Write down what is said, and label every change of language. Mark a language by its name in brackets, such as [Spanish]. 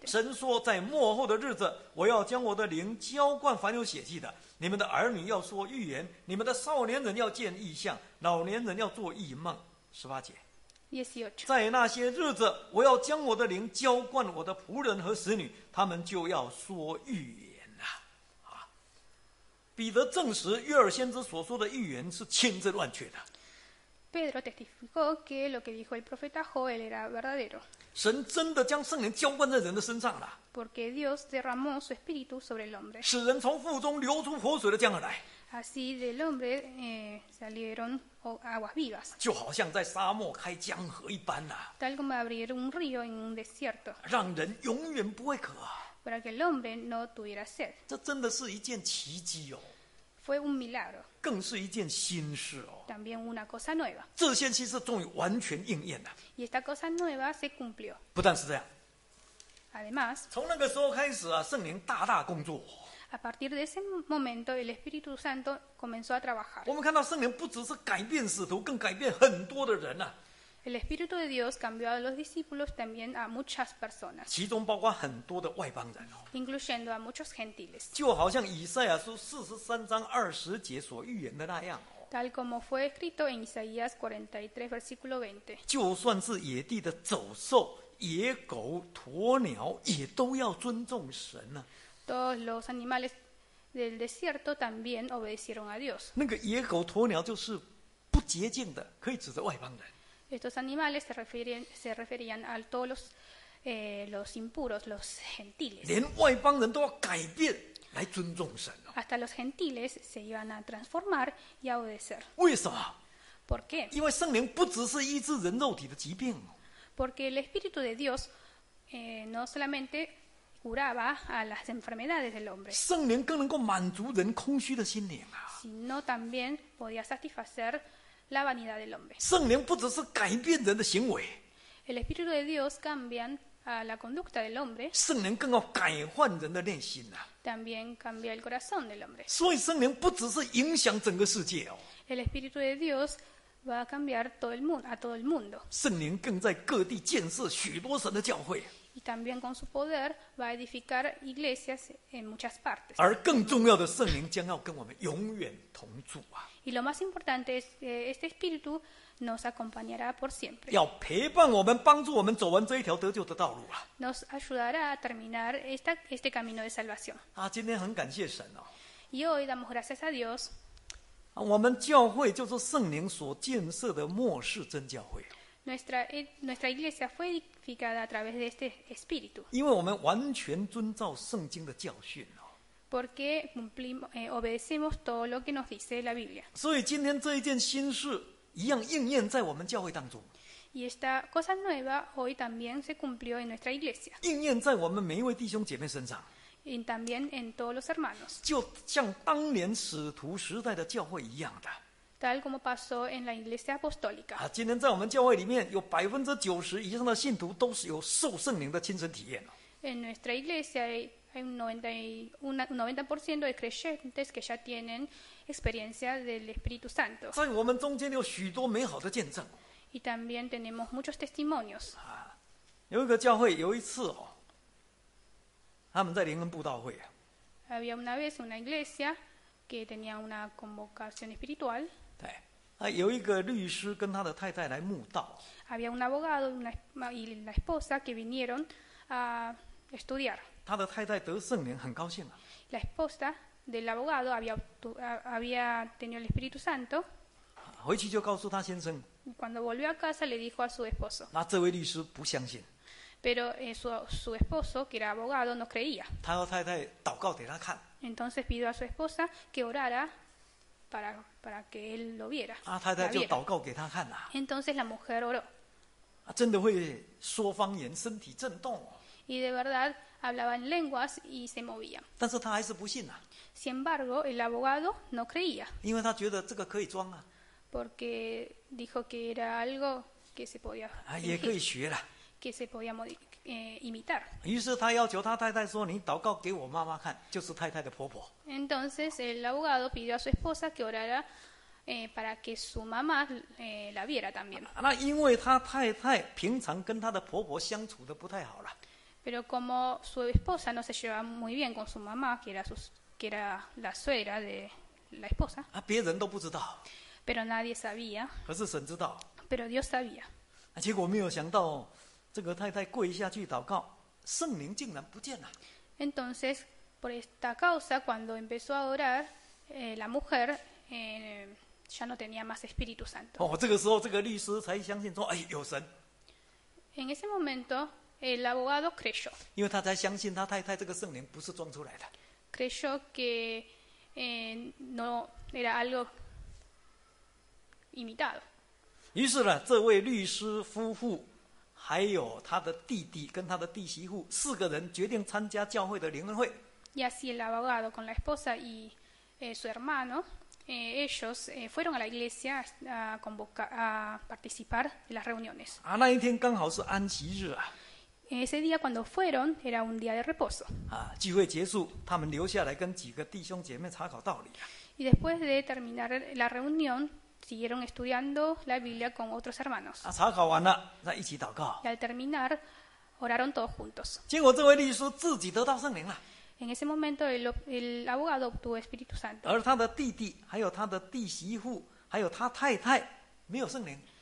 [Chinese] 神说，在末后的日子，我要将我的灵浇灌凡有血气的，你们的儿女要说预言，你们的少年人要见异象，老年人要做异梦。十八节。 [Spanish] 18. [Chinese] 在那些日子，我要将我的灵浇灌我的仆人和使女，他们就要说预言了。啊，彼得证实约珥先知所说的预言是千真万确的。 [Spanish] Pedro testificó que lo que dijo el profeta Joel era verdadero. [Chinese] 神真的将圣灵浇灌在人的身上了。 [Spanish] Porque Dios derramó su espíritu sobre el hombre. [Chinese] 使人从腹中流出活水的江河来。 [Spanish] Así del hombre salieron aguas vivas. [Chinese] 就好像在沙漠开江河一般呐。 [Spanish] Tal como abrir un río en un desierto. [Chinese] 让人永远不会渴。 [Spanish] Para que el hombre no tuviera sed. [Chinese] 这真的是一件奇迹哦。 [Spanish] Fue un milagro. [Chinese] 更是一件新事哦。 [Spanish] También una cosa nueva. [Chinese] 这些其实终于完全应验了。 [Spanish] Y esta cosa nueva se cumplió. [Chinese] 不但是这样。 [Spanish] Además. [Chinese] 从那个时候开始啊，圣灵大大工作。 [Spanish] A partir de ese momento, el Espíritu Santo comenzó a trabajar. [Chinese] 我们看到圣灵不只是改变使徒，更改变很多的人啊。 [Spanish] El Espíritu de Dios cambió a los discípulos también a muchas personas. [Chinese] 其中包括很多的外邦人哦。 [Spanish] Incluyendo a muchos gentiles. [Chinese] 就好像以赛亚书四十三章二十节所预言的那样哦。 [Spanish] Tal como fue escrito en Isaías 43, versículo 20. [Chinese] 就算是野地的走兽、野狗、鸵鸟，也都要尊重神呢。 [Spanish] Todos los animales del desierto también obedecieron a Dios. [Chinese] 那个野狗、鸵鸟就是不洁净的，可以指着外邦人。 [Spanish] Estos animales se referían a todos los impuros, los gentiles. [Chinese] 连外邦人都要改变来尊重神哦。 [Spanish] Hasta los gentiles se iban a transformar y a obedecer. [Chinese] 为什么？ [Spanish] ¿Por qué? [Chinese] 因为圣灵不只是医治人肉体的疾病哦。 [Spanish] Porque el Espíritu de Dios no solamente curaba a las enfermedades del hombre. [Chinese] 圣灵更能够满足人空虚的心灵啊。 [Spanish] Sino también podía satisfacer la vanidad del hombre. [Chinese] 圣灵不只是改变人的行为。 [Spanish] El Espíritu de Dios cambian a la conducta del hombre. [Chinese] 圣灵更要改换人的内心啊。 [Spanish] También cambia el corazón del hombre. [Chinese] 所以圣灵不只是影响整个世界哦。 [Spanish] El Espíritu de Dios va a cambiar todo el mundo. [Chinese] 圣灵更在各地建设许多神的教会。 [Spanish] y también con su poder va a edificar iglesias en muchas partes. [Chinese] 而更重要的圣灵将要跟我们永远同住啊。 [Spanish] Y lo más importante es este espíritu nos acompañará por siempre. [Chinese] 要陪伴我们，帮助我们走完这一条得救的道路啊。 [Spanish] Nos ayudará a terminar este camino de salvación. [Chinese] 啊，今天很感谢神哦。 [Spanish] Y hoy damos gracias a Dios. [Chinese] 啊，我们教会就是圣灵所建设的末世真教会。 [Spanish] Nuestra iglesia fue edificada a través de este espíritu. [Chinese] 因为我们完全遵照圣经的教训哦。 [Spanish] Porque obedecemos todo lo que nos dice la Biblia. [Chinese] 所以今天这一件新事一样应验在我们教会当中。 [Spanish] Y esta cosa nueva hoy también se cumplió en nuestra iglesia. [Chinese] 应验在我们每一位弟兄姐妹身上。 [Spanish] Y también en todos los hermanos. [Chinese] 就像当年使徒时代的教会一样的。 [Spanish] Tal como pasó en la iglesia apostólica. [Chinese] 啊，今天在我们教会里面有90%以上的信徒都是有受圣灵的亲身体验。 [Spanish] En nuestra iglesia hay un 90% de creyentes que ya tienen experiencia del Espíritu Santo. [Chinese] 在我们中间有许多美好的见证。 [Spanish] Y también tenemos muchos testimonios. [Chinese] 啊，有一个教会有一次哦，他们在灵恩布道会。 [Spanish] Había una vez una iglesia que tenía una convocación espiritual. [Chinese] 对，啊，有一个律师跟他的太太来慕道。 [Spanish] Había un abogado y la esposa que vinieron a estudiar. [Chinese] 他的太太得圣灵，很高兴啊。 [Spanish] La esposa del abogado había tenido el Espíritu Santo. [Chinese] 回去就告诉他先生。 [Spanish] Cuando volvió a casa le dijo a su esposo. [Chinese] 那这位律师不相信。 [Spanish] Pero su esposo, que era abogado, no creía. [Chinese] 他和太太祷告给他看。 [Spanish] Entonces pidió a su esposa que orara para que él lo viera. [Chinese] 啊，太太就祷告给他看了。 [Spanish] Entonces la mujer oró. [Chinese] 啊，真的会说方言，身体震动。 [Spanish] Y de verdad hablaba en lenguas y se movía. [Chinese] 但是他还是不信啊。 [Spanish] Sin embargo, el abogado no creía. [Chinese] 因为他觉得这个可以装啊。 [Spanish] Porque dijo que era algo que se podía. [Chinese] 啊，也可以学了。 [Spanish] Que se podía imitar. [Chinese] 于是他要求他太太说：“你祷告给我妈妈看，就是太太的婆婆。” [Spanish] Entonces el abogado pidió a su esposa que orara para que su mamá la viera también. [Chinese] 那因为他太太平常跟他的婆婆相处的不太好了。 [Spanish] Pero como su esposa no se lleva muy bien con su mamá, que era la suegra de la esposa. [Chinese] 啊，别人都不知道。 [Spanish] Pero nadie sabía. [Chinese] 可是神知道。 [Spanish] Pero Dios sabía. [Chinese] 啊，结果没有想到。这个太太跪下去祷告，圣灵竟然不见了。 [Spanish] Entonces, por esta causa, cuando empezó a orar, la mujer ya no tenía más Espíritu Santo. [Chinese] 哦，这个时候这个律师才相信说，哎，有神。 [Spanish] En ese momento, el abogado creyó. [Chinese] 因为他才相信他太太这个圣灵不是装出来的。 [Spanish] Creyó que no era algo imitado. [Chinese] 于是呢，这位律师夫妇。还有他的弟弟跟他的弟媳妇四个人决定参加教会的灵恩会。 [Spanish] Y así el abogado con la esposa y su hermano, ellos fueron a la iglesia a participar de las reuniones. [Chinese] 啊，那一天刚好是安息日啊。 [Spanish] Ese día cuando fueron era un día de reposo. [Chinese] 啊，聚会结束，他们留下来跟几个弟兄姐妹查考道理。 [Spanish] Y después de terminar la reunión,Siguieron estudiando la Biblia con otros hermanos. [Chinese] 啊，查考完了，再一起祷告。 [Spanish] Y al terminar, oraron todos juntos. [Chinese] 结果这位律师自己得到圣灵了。 [Spanish] En ese momento, el abogado obtuvo Espíritu Santo. [Chinese] 而他的弟弟，还有他的弟媳妇，还有他太太，没有圣灵。